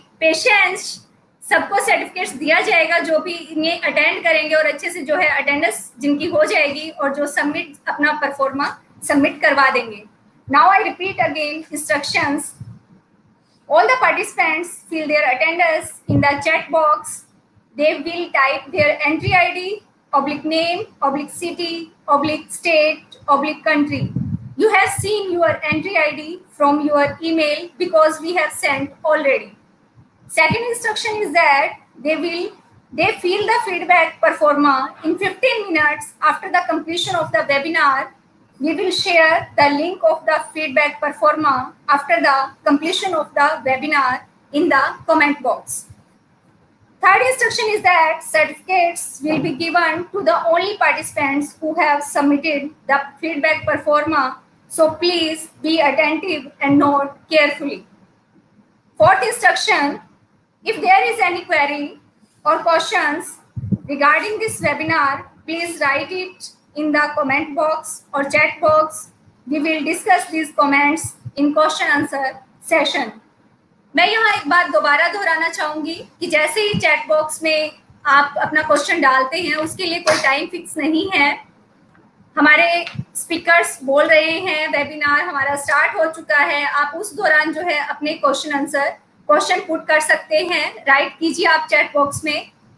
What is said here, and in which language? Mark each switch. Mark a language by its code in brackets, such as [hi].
[hi] Patients सबको certificates दिया जाएगा जो भी इन्हें अटेंड करेंगे और अच्छे से जो है अटेंडेंस जिनकी हो जाएगी और जो सबमिट अपना परफॉर्मा सबमिट करवा देंगे. [en] Now I repeat again instructions. All the participants fill their attendance in the chat box. They will type their entry I D, oblique name, oblique city, oblique state, oblique country. You have seen your entry ID from your email because we have sent already. Second instruction is that they fill the feedback performa in 15 minutes after the completion of the webinar. We will share the link of the feedback performa after the completion of the webinar in the comment box. Third instruction is that certificates will be given to the only participants who have submitted the feedback performa. So please be attentive and note carefully. Fourth instruction, if there is any query or questions regarding this webinar, please write it in the comment box or chat box. We will discuss these comments in question answer session. [hi] मैं यहाँ एक बात दोबारा दोहराना चाहूंगी कि जैसे ही chat box में आप अपना क्वेश्चन डालते हैं उसके लिए कोई टाइम फिक्स नहीं है. हमारे स्पीकर्स बोल रहे हैं वेबिनार हमारा स्टार्ट हो चुका है, आप उस दौरान जो है अपने क्वेश्चन आंसर क्वेश्चन पुट कर सकते हैं, राइट कीजिए आप चैट बॉक्स में.